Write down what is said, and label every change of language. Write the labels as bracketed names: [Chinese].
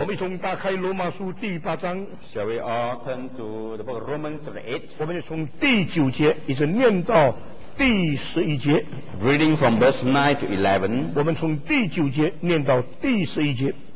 [Chinese] 我们从打开罗马书第八章。 [English] Shall we open to the book of Romans chapter 8? [Chinese] 我们就从第九节一直念到第十一节。 [English] Reading from verse 9 to 11. [Chinese] 我们从第九节念到第十一节。